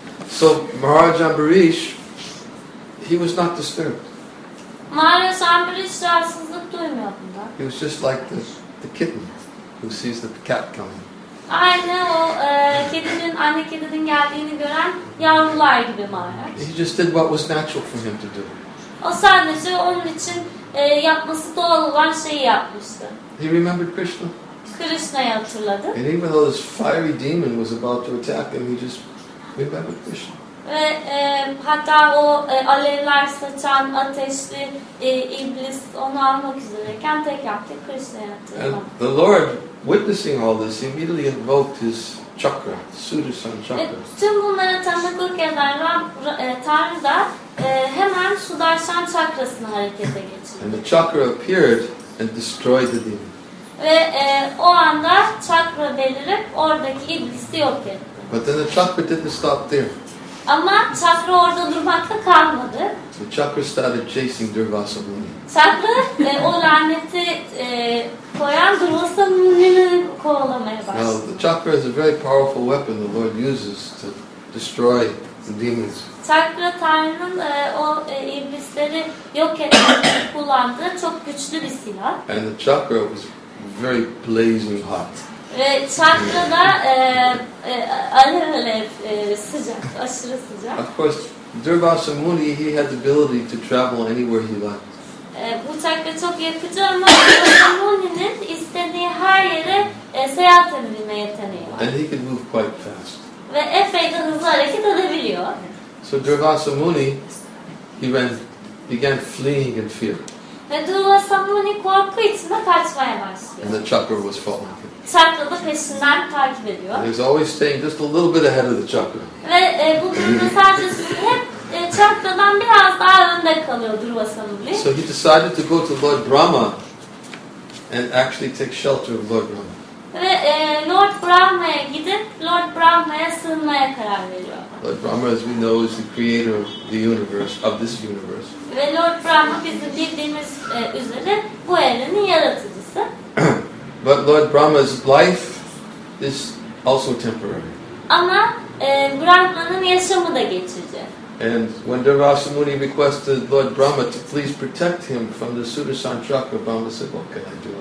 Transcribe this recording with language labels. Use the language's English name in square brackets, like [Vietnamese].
[English] So Maharaj Ambarish, he was not disturbed. [Turkish] Maharaj Ambarish rahatsızlık duymuyor bundan. [English] He was just like the kitten who sees the cat coming. [Turkish] Aynı o kedinin, anne kedinin geldiğini gören yavrular gibi Maharaj. [English] He just did what was natural for him to do. [Turkish] O sadece onun için yapması doğal olan şeyi yapmıştı. [English] He remembered Krishna. [Turkish] Krishna'yı hatırladı. [English] And even though this fiery demon was about to attack him, he just remembered Krishna. [Turkish] Ve hatta o alevler saçan ateşli iblis onu almak üzereyken tek yaptı, Krishna'yı hatırladı. [English] The Lord, witnessing all this, he immediately invoked his chakra, Sudarshan chakra. [Turkish] Tüm bunlara tanıklık eden Tanrı da hemen Sudarshan çakrasını harekete geçirdi. [English] And the chakra appeared and destroyed the demon. [Turkish] Ve o anda çakra belirip oradaki iblisi yok etti. [English] But then the chakra didn't stop there. [Turkish] Ama çakra orada durmakta kalmadı. [English] The chakra started chasing Durvasa Muni. [Turkish] Çakra o laneti koyan Durvasa Muni'ni kovalamaya başladı. [English] Now, the chakra is a very powerful weapon the Lord uses to destroy the demons. [Turkish] Çakra Tanrı'nın iblisleri yok etmek için kullandığı çok güçlü bir silah. [English] And the chakra was very blazing hot. [Turkish] Ve çakrada alev sıcak, aşırı sıcak. [English] Of course, Durvasa Muni, he had the ability to travel anywhere he liked. [Turkish] Bu çakra çok yakıcı ama Durvasa Muni'nin istediği her yere seyahat edebilme yeteneği var. [English] And he could move quite fast. [Turkish] Ve epey de hızlı hareket edebiliyor. [English] So Durvasa Muni, he began fleeing in fear. [Turkish] Ve Durvasa Muni korku içinde kaçmaya başlıyor. [English] And the chakra was following. [Turkish] Çakra da peşinden takip ediyor. [English] He's always staying just a little bit ahead of the chakra. [Turkish] Ve bu durumda sadece hep çakradan biraz daha önde kalıyor Durvasa Muni. [English] So he decided to go to Lord Brahma and actually take shelter of Lord Brahma. [Turkish] Ve Lord Brahma'ya gidip Lord Brahma'ya sığınmaya karar veriyor. [English] Lord Brahma, as we know, is the creator of the universe, of this universe. [Turkish] Ve Lord Brahma bizim bildiğimiz üzere bu evrenin yaratıcısı. [English] But Lord Brahma's life is also temporary. [Turkish] Ama Brahma'nın yaşamı da geçici. [English] And when Durvasa Muni requested Lord Brahma to please protect him from the Sudarshan Chakra, Brahma said, "What can I do?